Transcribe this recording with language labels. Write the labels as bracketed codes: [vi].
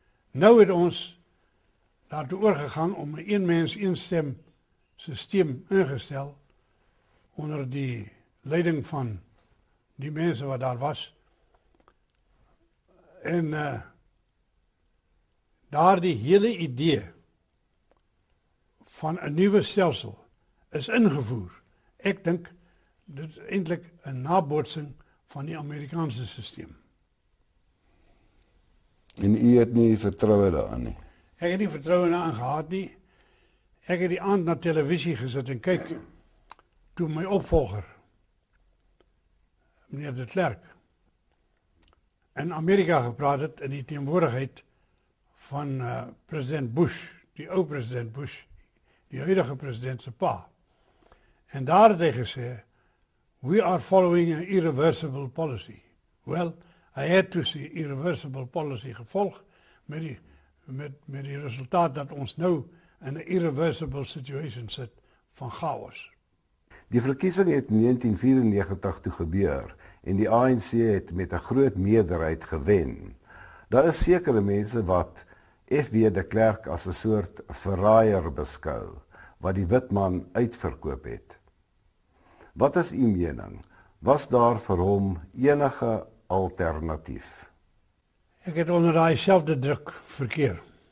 [af] Nou het ons daartoe oorgegaan om 'n een mens, een stem systeem ingestel, onder die leiding van die mense wat daar was, en daar die hele idee van 'n nuwe stelsel is ingevoer. Ek dink dit is eintlik 'n nabootsing van die Amerikaanse systeem. En u het nie vertroue daaraan nie? Ek het nie vertroue daaraan gehad nie. Ek het die aand na televisie gesit en kyk toe my opvolger, meneer de Klerk, in Amerika gepraat het in die teenwoordigheid van president Bush, die ou president Bush, die huidige president se pa. En daar het hy gesê, [en] we are following an irreversible policy. Well, I had to see irreversible policy [af] gevolg met die resultaat dat ons nou [en] in an irreversible situation [af] sit van chaos. Die verkiesing het 1994 toe gebeur en die ANC het met 'n groot meerderheid gewen. Daar is sekere mense wat F.W. de Klerk as 'n soort verraaier beskou, wat die wit man uitverkoop het. Wat is u mening? Was daar vir hom enige alternatief? Ek het onder daai selfde druk verkeer.